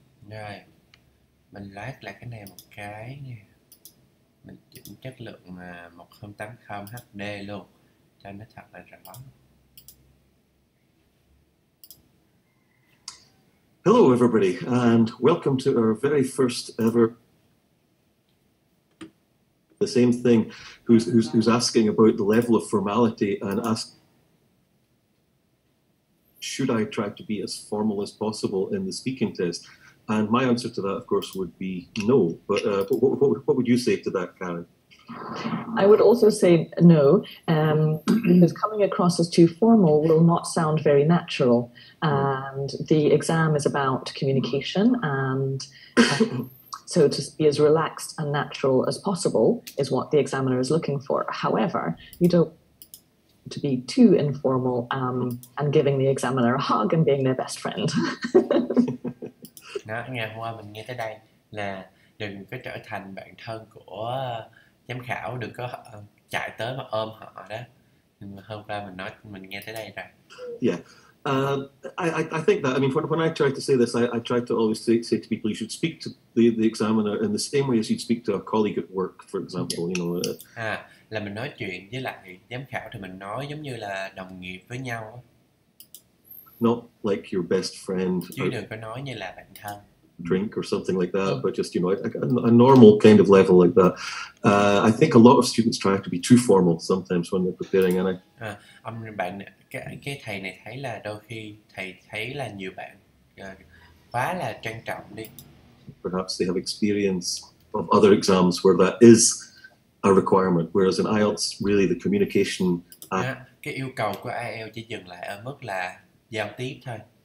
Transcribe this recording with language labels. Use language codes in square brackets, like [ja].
[vi] Rồi, mình loát lại cái này một cái nha. Mình chỉnh chất lượng 1080 HD luôn, cho nó thật là rõ. [en] Hello, everybody, and welcome to our very first ever. The same thing. Who's asking about the level of formality and ask, should I try to be as formal as possible in the speaking test? And my answer to that, of course, would be no. But what would you say to that, Karen? I would also say no, because coming across as too formal will not sound very natural. And the exam is about communication. And so to be as relaxed and natural as possible is what the examiner is looking for. However, you don't want to be too informal and giving the examiner a hug and being their best friend. [vi] Đó, ngày hôm qua mình nghe tới đây là đừng có trở thành bạn thân của giám khảo, đừng có chạy tới mà ôm họ đó. Nhưng mà hôm qua mình nói mình nghe tới đây rồi. [en] Yeah, I think that, I mean, when I try to say this, I try to always say to people, you should speak to the examiner in the same way as you'd speak to a colleague at work, for example, you know. [vi] À, là mình nói chuyện với lại giám khảo thì mình nói giống như là đồng nghiệp với nhau. [en] Not like your best friend [vi] Chứ [en] or [vi] đừng có nói như là bạn thân. [en] drink or something like that, but just, you know, a normal kind of level like that. I think a lot of students try to be too formal sometimes when they're preparing, and I. [vi] À, ông bạn cái thầy này thấy là đôi khi thầy thấy là nhiều bạn quá là trang trọng đi. [en] Perhaps they have experience of other exams where that is a requirement, whereas in IELTS, really the communication. [vi] À, cái yêu cầu của IELTS chỉ dừng lại ở mức là giao tiếp thôi.